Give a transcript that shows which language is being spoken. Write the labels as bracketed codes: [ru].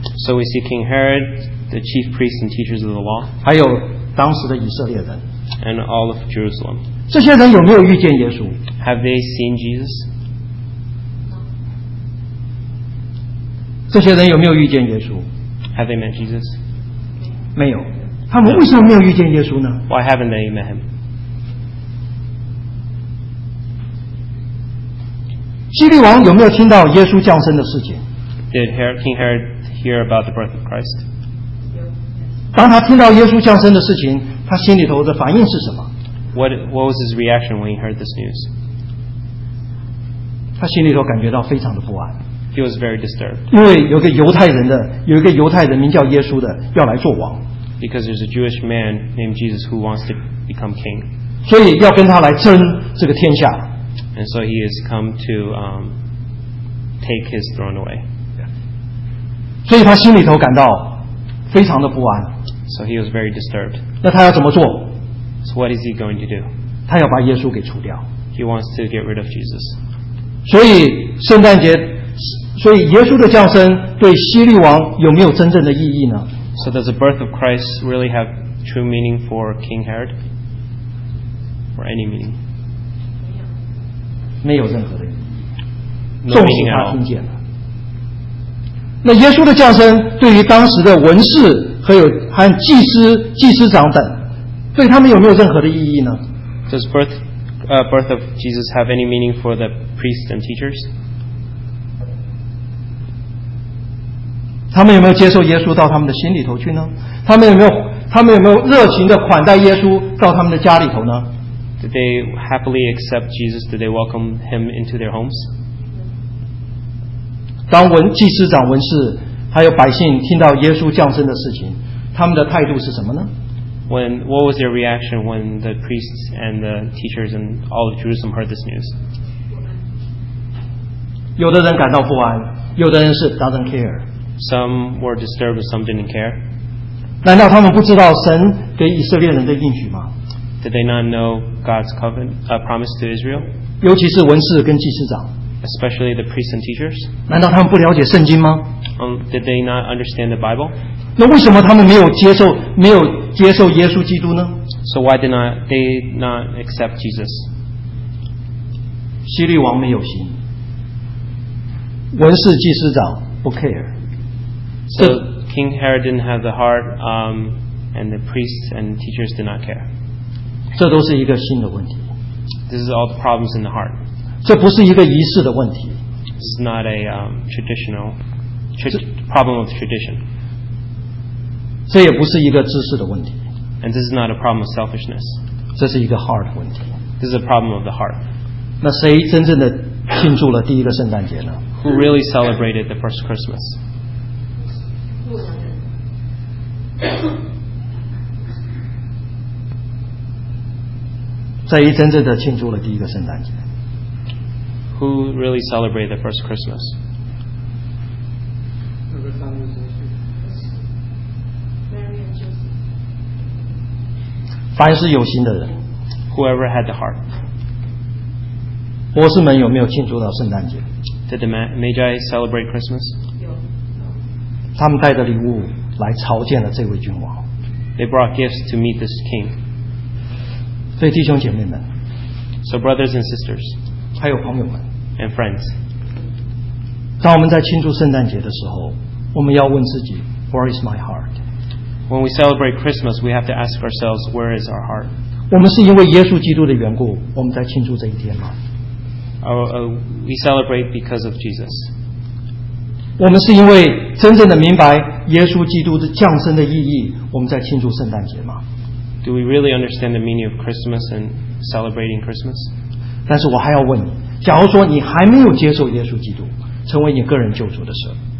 [en] So we see King Herod, the chief priests and teachers of the law. [zh] 还有当时的以色列人。 [en] And all of Jerusalem. [zh] 这些人有没有遇见耶稣？ [en] Have they seen Jesus? [zh] 这些人有没有遇见耶稣？ [en] Have they met Jesus? [zh] 没有。他们为什么没有遇见耶稣呢？ [en] Why haven't they met him? [zh] 希律王有没有听到耶稣降生的事情？ [en] Did King Herod hear about the birth of Christ? [zh] 当他听到耶稣降生的事情，他心里头的反应是什么？ [en] What was his reaction when he heard this news? [zh] 他心里头感觉到非常的不安。 [en] He was very disturbed. [zh] 因为有个犹太人的，有一个犹太人名叫耶稣的，要来做王。 [en] Because there's a Jewish man named Jesus who wants to become king. [zh] 所以要跟他来争这个天下。 [en] And so he has come to take his throne away. [zh] 所以他心里头感到非常的不安。 [en] So he was very disturbed. [zh] 那他要怎么做？ [en] So what is he going to do? [zh] 他要把耶稣给除掉。 [en] He wants to get rid of Jesus. [zh] 所以圣诞节，所以耶稣的降生对希律王有没有真正的意义呢？ [en] So does the birth of Christ really have true meaning for King Herod? Or any meaning? [zh] 没有任何的意义。 [en] No meaning at all. [zh] 纵使他听见了。那耶稣的降生对于当时的文士和有和祭司、祭司长等，对他们有没有任何的意义呢？ [en] Does birth of Jesus have any meaning for the priests and teachers? [zh] 他们有没有接受耶稣到他们的心里头去呢？他们有没有热情的款待耶稣到他们的家里头呢？ [en] Did they happily accept Jesus? Did they welcome him into their homes? [zh] 当文祭司长、文士还有百姓听到耶稣降生的事情，他们的态度是什么呢？ [en] What was their reaction when the priests and the teachers and all of Jerusalem heard this news? [zh] 有的人感到不安，有的人是 [en] doesn't care. Some were disturbed, some didn't care. [zh] 难道他们不知道神给以色列人的应许吗？ [en] Did they not know God's covenant, promise to Israel? [zh] 尤其是文士跟祭司长。 [en] Especially the priests and teachers. [zh] 难道他们不了解圣经吗？ [en] Did they not understand the Bible? [zh] 那为什么他们没有接受耶稣基督呢？ [en] So why did not they not accept Jesus? [zh] 希律王没有心，文士祭司长不 care. [en] So King Herod didn't have the heart, and the priests and teachers did not care. [zh] 这都是一个心的问题。 [en] This is all the problems in the heart. [zh] 这不是一个仪式的问题。 [en] This is not a traditional problem of tradition. [zh] 这也不是一个知识的问题。 [en] And this is not a problem of selfishness. [zh] 这是一个 heart 问题。 [en] This is a problem of the heart. [zh] 那谁真正的庆祝了第一个圣诞节呢？ [en] Who really celebrated the first Christmas? [zh] 谁真正的庆祝了第一个圣诞节？ [en] Who really celebrated the first Christmas? [zh] 凡是有心的人 [en] whoever had the heart. [zh] 波士门有没有庆祝到圣诞节？ [en] Did the Magi celebrate Christmas? [zh] 他们带着礼物来朝见了这位君王。 [en] They brought gifts to meet this king. [zh] 所以弟兄姐妹们， [en] So brothers and sisters, [zh] 还有朋友们， [en] and friends, [zh] 当我们在庆祝圣诞节的时候，我们要问自己， [en] Where is my heart? When we celebrate Christmas, we have to ask ourselves, Where is our heart? [zh] 我们是因为耶稣基督的缘故，我们在庆祝这一天吗？ [en] We celebrate because of Jesus. [zh] 我们是因为真正的明白耶稣基督的降生的意义，我们在庆祝圣诞节吗？ [en] Do we really understand the meaning of Christmas and celebrating Christmas? [zh] 但是我还要问你，假如说你还没有接受耶稣基督成为你个人救主的时候，